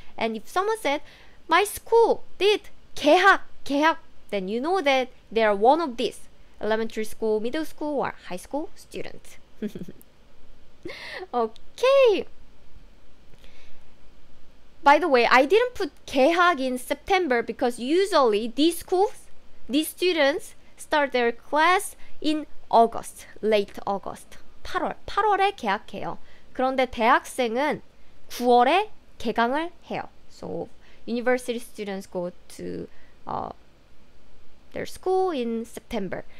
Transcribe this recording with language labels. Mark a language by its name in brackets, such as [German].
[English] And if someone said, my school did 개학, then you know that they are one of these elementary school, middle school, or high school student. Okay. By the way, I didn't put 개학 in September because usually these schools, these students start their class in August, late August. [Korean] 8월에 개학해요. 그런데 대학생은 9월에 개강을 해요. [English] So university students go to their school in September.